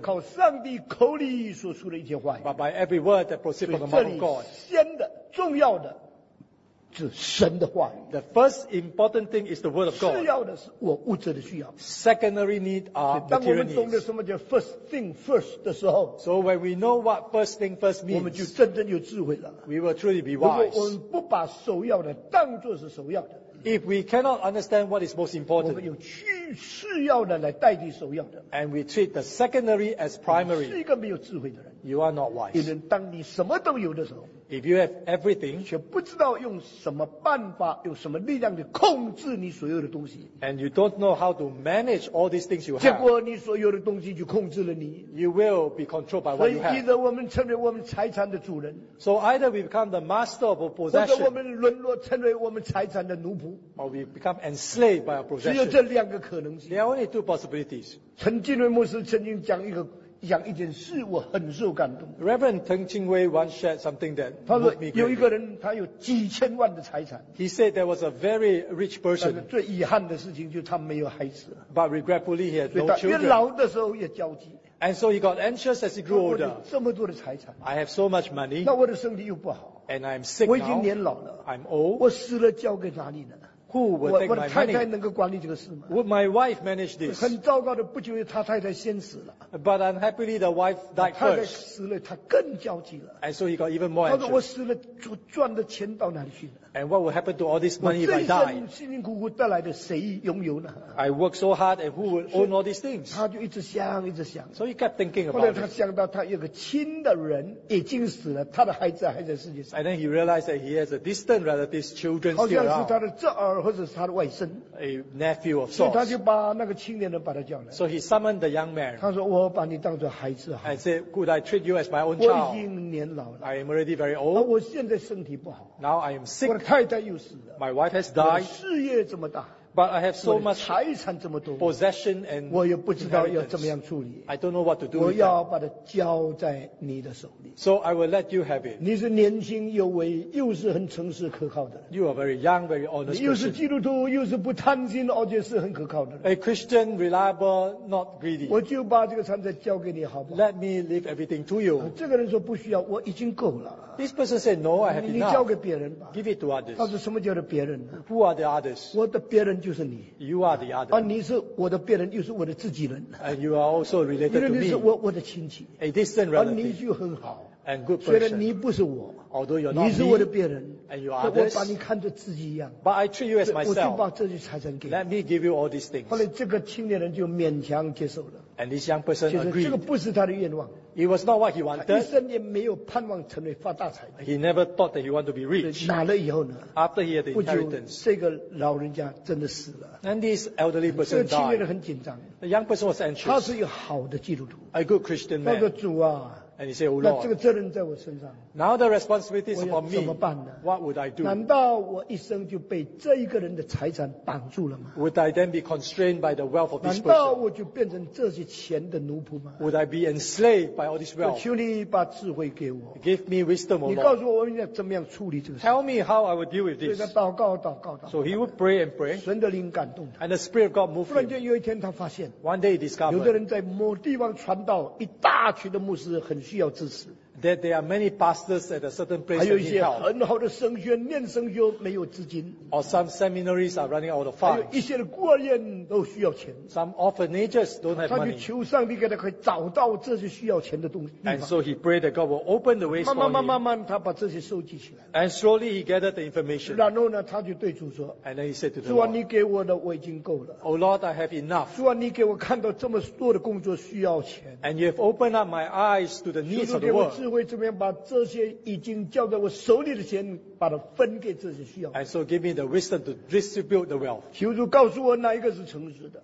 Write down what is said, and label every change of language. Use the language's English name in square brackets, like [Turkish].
[Chinese] 靠上帝口里所出的一些话语。 [English] But by every word that proceeds from the mouth of God. [Chinese] 先的重要的。是神的话语。 [English] The first important thing is the word of God. [Chinese] 次要的是我物质的需要。 [English] Secondary need are material needs. [Chinese] 当我们懂得什么叫 [English] first thing first [Chinese] 的时候 [English] ，So when we know what first thing first means, [Chinese] 我们就真正有智慧了。 [English] We will truly be wise. [Chinese] 如果我们不把首要的当作是首要的 [English] ，If we cannot understand what is most important, [Chinese] 我们有次要的来代替首要的 [English] ，And we treat the secondary as primary, [Chinese] 是一个没有智慧的人。 [English] You are not wise. [Chinese] 因为当你什么都有的时候。 [English] If you have everything, [Chinese] 却不知道用什么办法、用什么力量去控制你所有的东西。 [English] And you don't know how to manage all these things you have. [Chinese] 结果你所有的东西就控制了你。 [English] You will be controlled by what you have. [Chinese] 所以，either我们成为我们财产的主人。 [English] So either we become the master of our possession. [Chinese] 或者我们沦落成为我们财产的奴仆。 [English] Or we become enslaved by our possession. [Chinese] 只有这两个可能性。 [English] There are only two possibilities. [Chinese] 陈金瑞牧师曾经讲一个。讲一件事我很受感动 [English] Reverend Teng Ching Wei once shared something that [Chinese] 他说有一个人他有几千万的财产 [English] He said there was a very rich person [Chinese] 但是最遗憾的事情就是他没有孩子 [English] But regretfully he had no children [Chinese] 因为老的时候也焦急 [English] And so he got anxious as he grew older [Chinese] 这么多的财产 [English] I have so much money [Chinese] 那我的身体又不好 [English] And I'm sick now [Chinese] 我已经年老了 [English] I'm old [Chinese] 我死了交给哪里呢 [English] Who would take my money? [Chinese] 我太太能够管理这个事吗 [English] ？Would my wife manage this? [Chinese] 很糟糕的，不久于他太太先死了。 [English] But unhappily, the wife died first. [Chinese] 太太死了，他更焦急了。 [English] And so he got even more anxious. [Chinese] 他说：“我死了，我赚的钱到哪里去了 [English] ？”And what will happen to all this money if I die? [Chinese] 我这一生辛辛苦苦得来的，谁拥有呢 [English] ？I work so hard, and who will own all these things? [Chinese] 他就一直想，一直想。 [English] So he kept thinking about it. [Chinese] 后来他想到，他有个亲的人已经死了，他的孩子还在世界上。 [English] And then he realized that he has a distant relative's children still around. [Chinese] 好像是他的侄儿。或者是他的外甥 [English] a nephew of sorts. [Chinese] 所以他就把那个青年人把他叫来 [English] so he summoned the young man [Chinese] 他说我把你当作孩子好 [English] I said could I treat you as my own child [Chinese] 我已经年老了 [English] I am already very old [Chinese] 我现在身体不好 [English] now I am sick [Chinese] 我的太太又死了 [English] my wife has died [Chinese] 我的事业这么大 [English] but I have so much [Chinese] 财产这么多 [English] possession and [Chinese] 我也不知道要怎么样处理 [English] I don't know what to do [Chinese] 我要把它交在你的手里 [English] so I will let you have it [Chinese] 你是年轻有为又是很诚实可靠的 [English] you are very young very honest [Chinese] 你又是基督徒又是不贪心而且是很可靠的 [English] a Christian reliable not greedy [Chinese] 我就把这个财产交给你好不好 [English] let me leave everything to you [Chinese] 这个人说不需要我已经够了 [English] this person said no I have enough [Chinese] 你交给别人吧 [English] give it to others [Chinese] 他说什么叫做别人 [English] who are the others [Chinese] 我的别人就是你 [English] you are the others [Chinese] 而你是我的别人又是我的自己人 [English] and you are also related to me [Chinese] 因为你是我的亲戚 [English] a distant relative [Chinese] 而你就很好 [English] and good person [Chinese] 虽然你不是我 [English] although you're not [Chinese] 你是我的别人 [English] and you are others [Chinese] 我把你看作自己一样 [English] but I treat you as myself [Chinese] 我就把这些财产给你 [English] let me give you all these things [Chinese] 后来这个青年人就勉强接受了 [English] and this young person agreed [Chinese] 这个不是他的愿望 [English] it was not what he wanted [Chinese] 他一生也没有盼望成为发大财 [English] he never thought that he wanted to be rich [Chinese] 拿了以后呢 [English] after he had the inheritance [Chinese] 这个老人家真的死了 [English] and this elderly person died [Chinese] 这个青年人很紧张 [English] the young person was anxious [Chinese] 他是一个好的基督徒 [English] a good Christian man [Chinese] 那个主啊 [English] and he said oh Lord [Chinese] 那这个责任在我身上 [English] now the responsibility is upon me [Chinese] 怎么办呢 [English] what would I do [Chinese] 难道我一生就被这一个人的财产绑住了吗 [English] would I then be constrained by the wealth of this person [Chinese] 难道我就变成这些钱的奴仆吗 [English] would I be enslaved by all this wealth [Chinese] 求你把智慧给我 [English] give me wisdom oh Lord [Chinese] 你告诉我我应该怎么样处理这个事 [English] tell me how I would deal with this [Chinese] 所以他祷告祷告祷告 [English] so he would pray and pray [Chinese] 神的灵感动他 [English] and the spirit of God moved him [Chinese] 突然间有一天他发现 [English] one day he discovered [Chinese] 有的人在某地方传道一大群的牧师很需要支持。 [English] that there are many pastors at a certain place. [Chinese] 还有一些很好的神学念神学没有资金。 [English] Or some seminaries are running out of funds. [Chinese] 还有一些的孤儿院都需要钱。 [English] Some orphanages don't have money. [Chinese] 他就求上帝给他可以找到这些需要钱的东西。 [English] And so he prayed that God will open the ways for him. [Chinese] 慢慢他把这些收集起来。 [English] And slowly he gathered the information. [Chinese] 然后呢，他就对主说。 [English] And then he said to the Lord. [Chinese] 主啊，你给我的我已经够了。 [English] Oh Lord, I have enough. [Chinese] 主啊，你给我看到这么多的工作需要钱。 [English] And you have opened up my eyes to the needs of the world. [Chinese] 智慧怎么样把这些已经交在我手里的钱把它分给这些需要。 [English] And so give me the wisdom to distribute the wealth. [Chinese] 求主告诉我哪一个是诚实的。